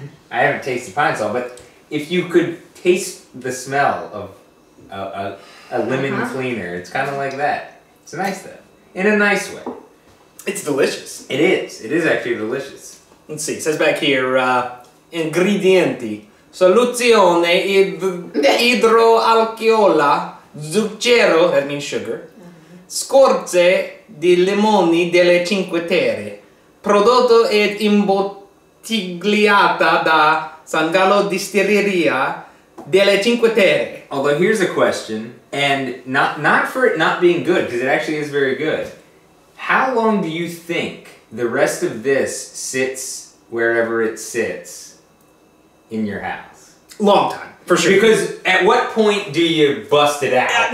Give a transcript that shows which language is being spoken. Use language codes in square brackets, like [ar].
[en] I haven't tasted pine salt, but if you could taste the smell of a lemon cleaner, it's kind of like that. It's nice, though. In a nice way. It's delicious. It is. It is actually delicious. Let's see. It says back here, ingredienti. [it] Soluzione idroalcola, zucchero, [en] that means sugar, [it] scorze di limoni delle Cinque Terre, prodotto ed imbottigliata da Sangallo Distillery delle Cinque Terre. [en] Although here's a question, and not for it not being good, because it actually is very good. How long do you think the rest of this sits wherever it sits in your house? Long time, for sure. Because at what point do you bust it out?